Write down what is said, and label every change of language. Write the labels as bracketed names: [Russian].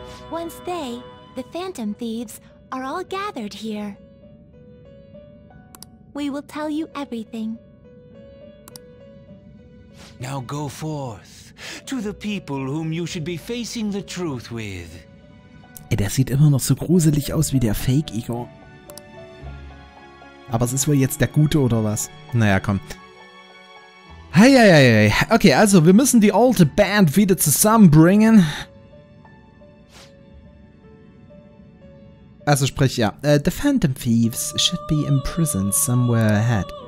[English] once they, the Phantom Thieves, are all gathered here, we will tell you everything. Now go forth to the people whom you should be facing the truth with. [German] Ey, der sieht immer noch so gruselig aus wie der Fake-Igor. Aber es ist wohl jetzt der Gute oder was? Naja, komm. Heieiei. Okay, also wir müssen die alte Band wieder zusammenbringen. Also sprich, ja. [English] The Phantom Thieves should be imprisoned somewhere ahead.